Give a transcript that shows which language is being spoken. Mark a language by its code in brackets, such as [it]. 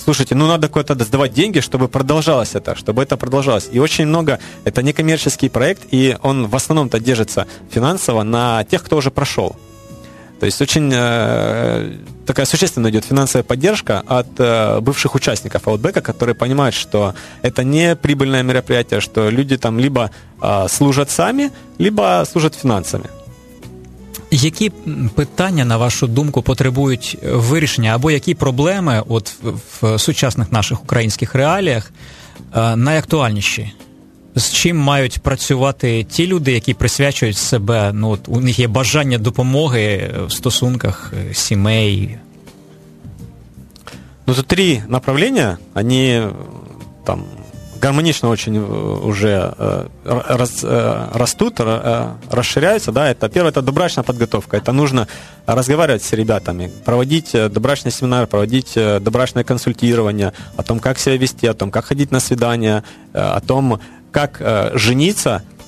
[ru] Слушайте, ну надо куда-то сдавать деньги, чтобы продолжалось это, чтобы это продолжалось. И очень много, это некоммерческий проект, и он в основном-то держится финансово на тех, кто уже прошел. То есть очень такая существенная идет финансовая поддержка от бывших участников Outback, которые понимают, что это не прибыльное мероприятие, что люди там либо служат сами, либо служат финансами. [uk] Які питання, на вашу думку, потребують вирішення, або які проблеми от в сучасних наших українських реаліях найактуальніші? З чим мають працювати ті люди, які присвячують себе, ну от у них є бажання допомоги в стосунках сімей? Ну, тут три направлення, вони там [ru] гармонично очень уже растут, расширяются, да, это первое, это добрачная подготовка, это нужно разговаривать с ребятами, проводить добрачные семинары, проводить добрачное консультирование о том, как себя вести, о том, как ходить на свидания, о том, как жениться,